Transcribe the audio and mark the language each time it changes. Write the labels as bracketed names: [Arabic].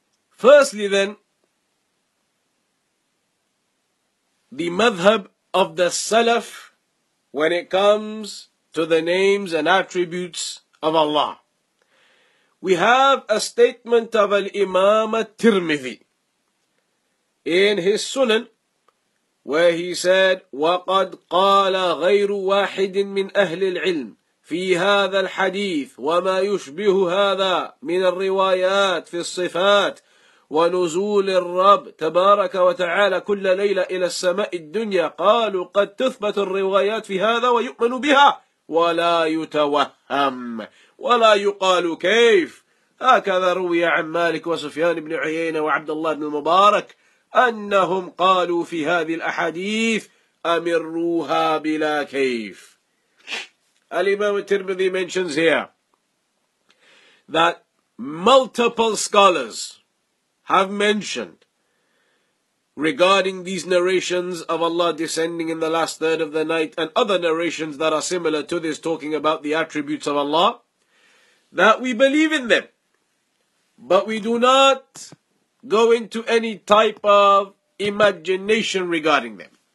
[English] Firstly then, the madhab of the Salaf when it comes to the names and attributes of Allah. We have a statement of Al-Imam At-Tirmidhi in his Sunan, where he said, [Arabic] وَقَدْ قَالَ غَيْرُ وَاحِدٍ مِّنْ أَهْلِ الْعِلْمِ فِي هَذَا الْحَدِيثِ وَمَا يُشْبِهُ هَذَا مِنَ الرِّوَايَاتِ فِي الصِّفَاتِ ونزول الرب تبارك وتعالى كل ليلة إلى السماء الدنيا قالوا قد تثبت الروايات في هذا ويؤمن بها ولا يتوهم ولا يقال كيف هكذا روي عن مالك وسفيان بن عيينة وعبد الله بن المبارك أنهم قالوا في هذه الأحاديث أمروها بلا كيف. [English] الإمام الترمذي mentions here that multiple scholars have mentioned regarding these narrations of Allah descending in the last third of the night and other narrations that are similar to this, talking about the attributes of Allah, that we believe in them, but we do not go into any type of imagination regarding them.